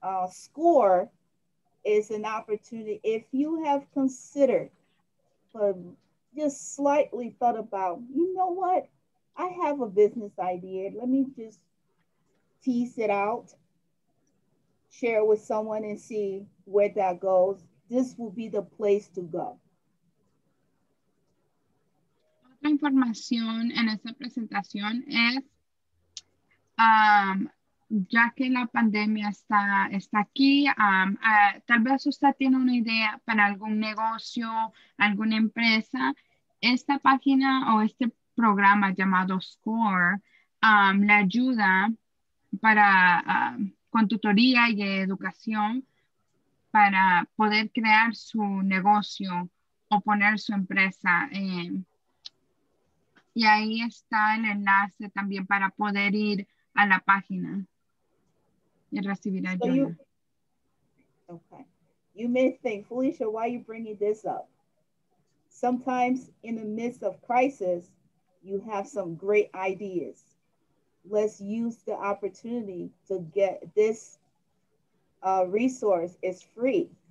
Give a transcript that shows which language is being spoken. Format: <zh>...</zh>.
<en>SCORE is an opportunity. If you have considered, but just slightly thought about, you know what? I have a business idea. Let me just tease it out, share it with someone and see where that goes. This will be the place to go.</en> <es>Otra información en esta presentación es, ya que la pandemia está aquí, tal vez usted tiene una idea para algún negocio, alguna empresa. Esta página o este programa llamado SCORE le ayuda para con tutoría y educación para poder crear su negocio o poner su empresa. Y ahí está el enlace también para poder ir a la página y recibir ayuda.</es> <en>Okay. You may think, Felicia, why are you bringing this up? Sometimes in the midst of crisis, you have some great ideas. Let's use the opportunity to get this resource. It's free.</en>